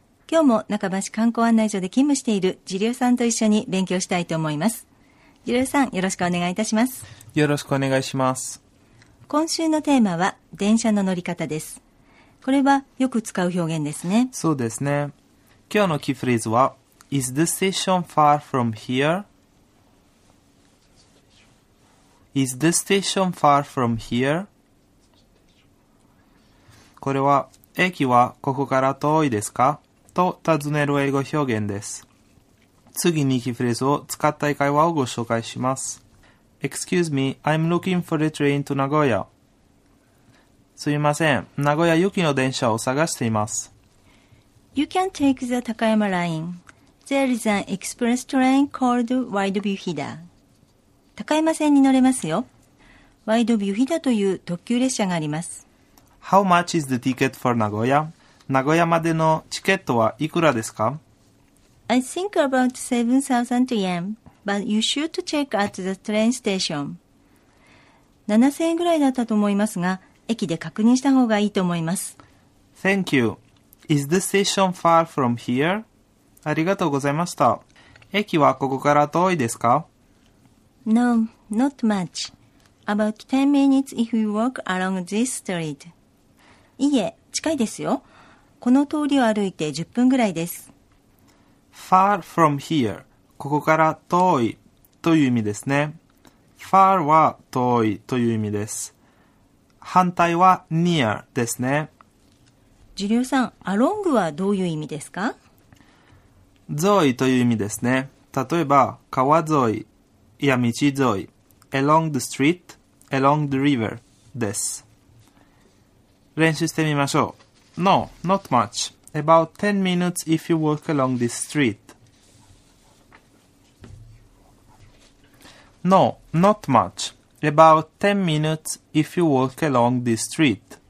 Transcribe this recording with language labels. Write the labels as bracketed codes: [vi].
[ja] 今日も中橋市観光案内所で勤務しているジリオさんと一緒に勉強したいと思います。ジリオさん、よろしくお願いいたします。よろしくお願いします。今週のテーマは電車の乗り方です。これはよく使う表現ですね。そうですね。今日のキーフレーズは [en] Is this station far from here? Is this station far from here? [ja] これは、駅はここから遠いですか?と尋ねる英語表現です。次にキーフレーズを使った英会話をご紹介します。 [en] Excuse me, I'm looking for a train to Nagoya. [ja] すみません、名古屋行きの電車を探しています。 [en] You can take the 高山ライン。 There is an express train called Wide View Hida. [ja] 高山線に乗れますよ。 Wide View Hida という特急列車があります。 [en] How much is the ticket for Nagoya? [ja] 名古屋までのチケットはいくらですか? [en] I think about 7,000 yen, but you should check at the train station. [ja] 7,000 円ぐらいだったと思いますが、駅で確認した方がいいと思います。 [en] Thank you. Is the station far from here? [ja] ありがとうございました。駅はここから遠いですか? [en] No, not much. About 10 minutes if you walk along this street. [ja] いいえ、近いですよ。この通りを歩いて10分ぐらいです。 [en] Far from here. [ja] ここから遠いという意味ですね。Far は遠いという意味です。反対は near ですね。ジリオさん、along はどういう意味ですか? 沿いという意味ですね。例えば、川沿いや道沿い、 [en] along the street, along the river [ja] です。練習してみましょう。 [en] No, not much. About 10 minutes if you walk along this street. No, not much. About 10 minutes if you walk along this street.